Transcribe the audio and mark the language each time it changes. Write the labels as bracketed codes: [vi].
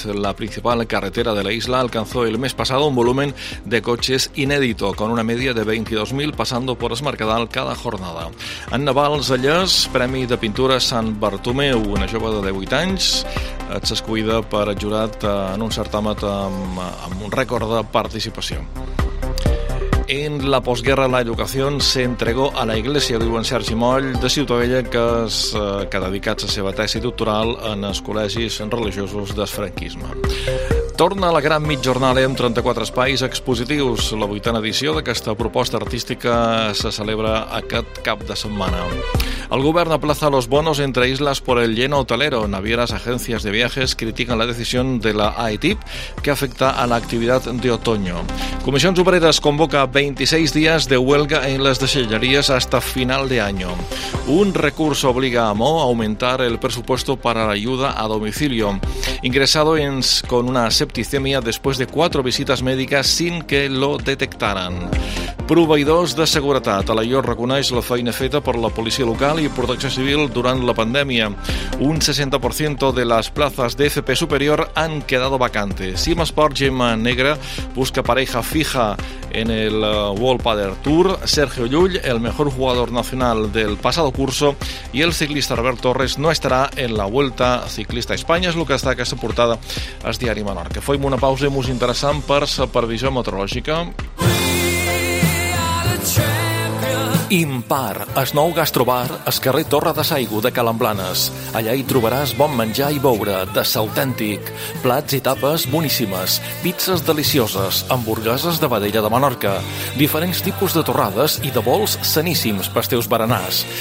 [es] La principal carretera de la isla alcanzó el mes pasado un volumen de cotxes inédito, con una media de 22.000 pasando por el Mercadal cada jornada. [ca] Anna Valls Allés, Premi de Pintura Sant Bartomeu, una jove de 18 anys, s'escuida per jurat en un certamen amb un rècord de participació. [es] En la posguerra la educación se entregó a la Iglesia, [ca] diu en Sergi Moll, de Ciutadella, que ha dedicat la seva tesi doctoral en els col·legis religiosos del franquisme. Torna a la gran mitjornada amb 34 espais expositius. La 8a edició d'aquesta proposta artística se celebra aquest cap de setmana. [es] El govern aplaza los bonos entre islas por el lleno hotelero. Navieras, agencias de viajes critican la decisión de la AETIP que afecta a la actividad de otoño. Comisiones Obreras convoca 26 días de huelga en las destilerías hasta final de año. Un recurso obliga a MOO a aumentar el presupuesto para la ayuda a domicilio. Ingresado con una septicemia después de 4 visitas médicas sin que lo detectaran. [ca] Proveïdors de seguretat. A la IOR reconeix la feina feta per la policia local i protecció civil durant la pandèmia. Un 60% de les places d'FP superior han quedat vacantes. [es] Simasport, Gemma Negra, busca pareja fija en el World Padel Tour. Sergio Llull, el mejor jugador nacional del pasado curso. [ca] I el ciclista Robert Torres no estarà en la Vuelta Ciclista a Espanya. És el que està aquesta portada al diari Menorca. Fem una pausa molt interessant per la previsió meteorològica. Impar, el nou gastrobar al carrer Torre de Saigo de Calamblanes. Allà hi trobaràs bon menjar i beure, de s'autèntic. Plats i tapes boníssimes, pizzas delicioses, hamburgueses de vedella de Menorca, diferents tipus de torrades i de bols saníssims pels teus berenars.